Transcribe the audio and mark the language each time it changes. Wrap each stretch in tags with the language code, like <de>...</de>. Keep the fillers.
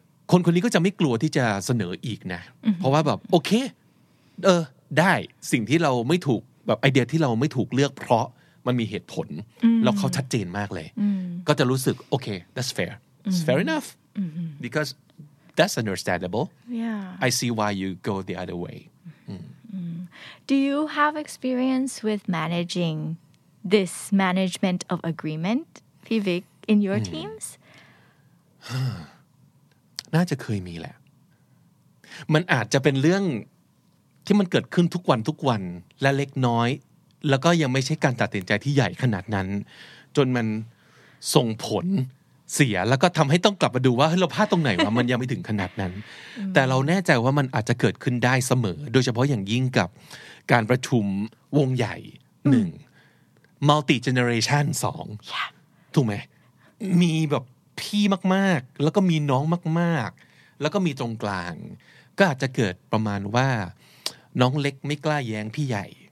<th>คนคนนี้ก็จะไม่กลัวที่จะเสนออีกนะ เพราะว่าแบบโอเค เออ ได้สิ่งที่เราไม่ถูกแบบไอเดียที่เราไม่ถูกเลือกเพราะมันมีเหตุผล แล้วเขาชัดเจนมากเลย ก็จะรู้สึกโอเค</th> <en>that's fair it's fair enough because that's understandable Yeah. I see why you go the other way Do you have experience with managing this management of agreement, Vivek, in your teams?</en> <th>น่าจะเคยมีแหละ มันอาจจะเป็นเรื่องที่มันเกิดขึ้นทุกวันทุกวันและเล็กน้อย แล้วก็ยังไม่ใช่การตัดสินใจที่ใหญ่ขนาดนั้น จนมันส่งผล เสียแล้วก็ทำให้ต้องกลับมาดูว่าเฮ้ยเราพลาดตรงไหนวะ มันยังไม่ถึงขนาดนั้น แต่เราแน่ใจว่ามันอาจจะเกิดขึ้นได้เสมอ โดยเฉพาะอย่างยิ่งกับการประชุมวงใหญ่หนึ่ง</th> <en>multi generation</en> <th>สองถูกไหม มีแบบพี่มากๆ แล้วก็มีน้องมากๆ แล้วก็มีตรงกลาง ก็อาจจะเกิดประมาณว่า น้องเล็กไม่กล้าแย้งพี่ใหญ่</th>